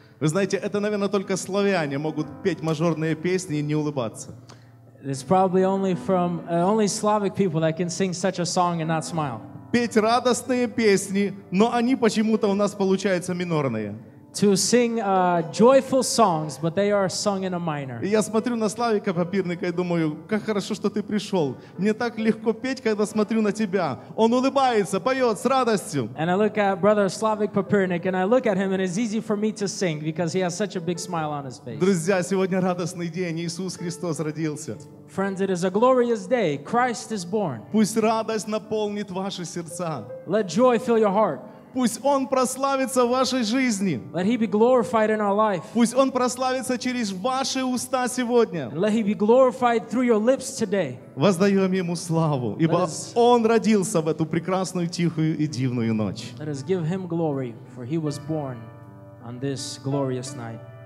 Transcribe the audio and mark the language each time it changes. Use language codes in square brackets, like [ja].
[ru] Вы знаете, это, наверное, только славяне могут петь мажорные песни и не улыбаться. [en] It's probably only from only Slavic people that can sing such a song and not smile. [ru] Петь радостные песни, но они почему-то у нас получаются минорные. [en] To sing joyful songs, but they are sung in a minor. [ru] Я смотрю на Славика Попирника и думаю, как хорошо, что ты пришел. Мне так легко петь, когда смотрю на тебя. Он улыбается, поет с радостью. [en] And I look at brother Slavik Popirnik, and I look at him, and it's easy for me to sing because he has such a big smile on his face. [ru] Друзья, сегодня радостный день, Иисус Христос родился. [en] Friends, it is a glorious day. Christ is born. [ru] Пусть радость наполнит ваши сердца. [en] Let joy fill your heart. [ru] Пусть Он прославится в вашей жизни. [en] Let He be glorified in our life. [ru] Пусть Он прославится через ваши уста сегодня. [en] And let He be glorified through your lips today. [ru] Воздаем Ему славу, ибо Он родился в эту прекрасную, тихую и дивную ночь. [en] Let us give Him glory, for He was born on this glorious night.